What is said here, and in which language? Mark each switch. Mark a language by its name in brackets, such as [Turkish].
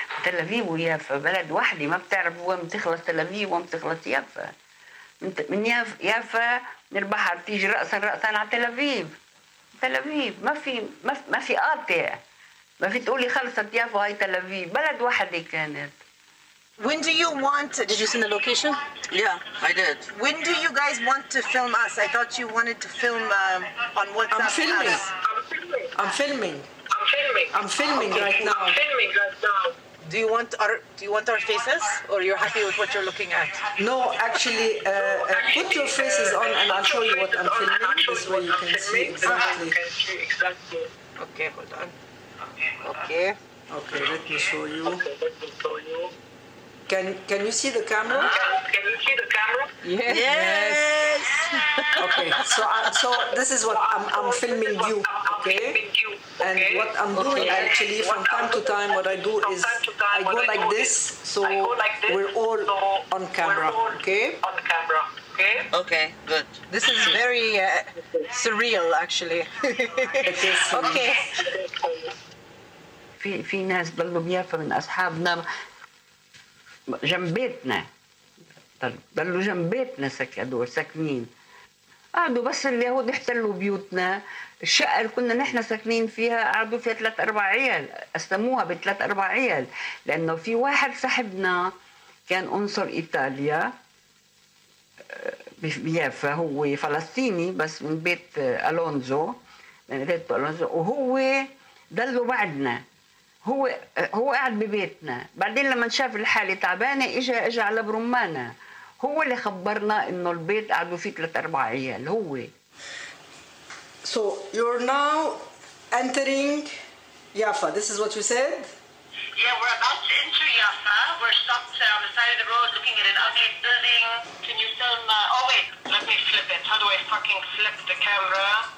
[Arabic] تل أبيب ويافا بلد واحدة ما بتعرف وين بتخلص تل أبيب وين بتخلص يافا. من يافا نربح تيجي رأسا رأسا على تل أبيب. تل أبيب ما في قاطع، ما في تقولي خلصت يافا هاي تل أبيب، بلد واحدة كانت. [English] When do you want to... Did you see the location? Yeah, I did. When do you guys want to film us? I thought you wanted to film on WhatsApp. I'm filming. Okay. Right now. I'm filming right now. Do you want our faces, or you're happy with what you're looking at? No, actually, put your faces on and I'll show you what I'm filming. This way you can see exactly. Okay, hold on. Okay, let me show you. Can you see the camera? Yes. Okay. So this is what I'm filming you. Okay. And what I'm doing actually, from time to time, what I do is I go like this. So we're all on camera. Okay. Okay. Good. This is very surreal, actually. Okay. [Arabic] في ناس بلو بيافا من أصحابنا. جنبيتنا بلوا جنبيتنا ساكنين قعدوا بس اليهود احتلوا بيوتنا الشقة اللي كنا نحن ساكنين فيها قعدوا فيها ثلاث أربع عيال أسلموها بثلاث أربع عيال لأنه في واحد صاحبنا كان أنصر إيطاليا بيافا هو فلسطيني بس من بيت ألونزو من بيت ألونزو وهو دلوا بعدنا هو قاعد ببيتنا بعدين لما شاف الحالة تعبانة إجا على برمانة هو اللي خبرنا إنه البيت قاعدوا فيه ثلاث أربع عيال هو. [English] So you're now entering Yafa. This is what you said. Yeah, we're about to enter Yafa. We're stopped on the side of the road looking at an ugly building. Can you film? Oh wait, let me flip it. How do I fucking flip the camera?